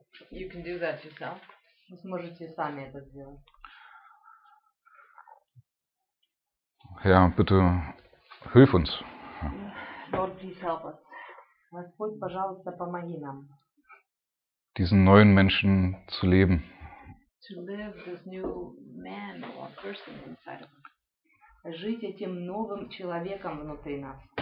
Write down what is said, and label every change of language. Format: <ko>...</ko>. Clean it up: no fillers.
<en>You can do that yourself.</en> <ru>Вы сможете сами это сделать.</ru> <de>Herr, bitte hilf uns.</de> <en>Lord, please help us.</en> <ru>Господь, пожалуйста, помоги нам.</ru> <de>Diesen neuen Menschen zu leben.</de> <en>To live this new man or person inside of us.</en> <ru>Жить этим новым человеком внутри нас.</ru>